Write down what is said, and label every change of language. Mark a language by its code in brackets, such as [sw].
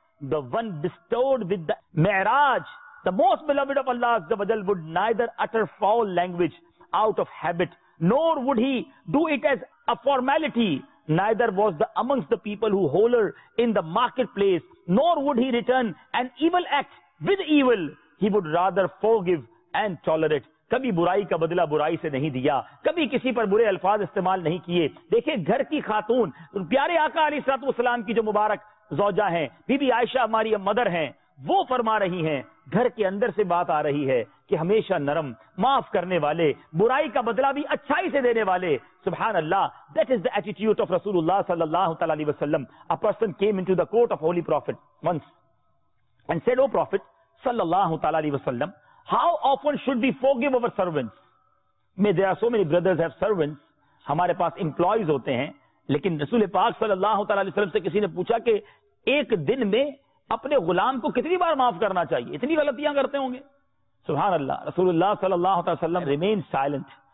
[en] The one bestowed with the Mi'raj, the most beloved of Allah Azza wa Jal, would neither utter foul language out of habit, nor would he do it as a formality. Neither was the amongst the people who holler in the marketplace, nor would he return an evil act with evil. He would rather forgive and tolerate. [ur] کبھی برائی کا بدلہ برائی سے نہیں دیا, کبھی کسی پر برے الفاظ استعمال نہیں کیے. دیکھیں گھر کی خاتون, پیارے آقا علیہ السلام کی جو مبارک زوجہ ہیں, بی بی عائشہ ہماری مدر ہیں, وہ فرما رہی ہیں, گھر کے اندر سے بات آ رہی ہے کہ ہمیشہ نرم, معاف کرنے والے, برائی کا بدلہ بھی اچھائی سے دینے والے. [en] سبحان اللہ, that is the attitude of رسول اللہ صلی اللہ علیہ وسلم. A person came into the court of Holy Prophet once and said, oh Prophet صلی اللہ علیہ وسلم, how often should we forgive our servants? May there are so many brothers have servants, [ur] ہمارے پاس employees ہوتے ہیں, لیکن رسول پاک صلی اللہ علیہ وسلم سے کسی نے پوچھا کہ ایک دن میں اپنے غلام کو کتنی بار معاف کرنا چاہیے, اتنی غلطیاں کرتے ہوں گے. [en] سبحان اللہ, رسول اللہ صلی اللہ علیہ وسلم remained silent.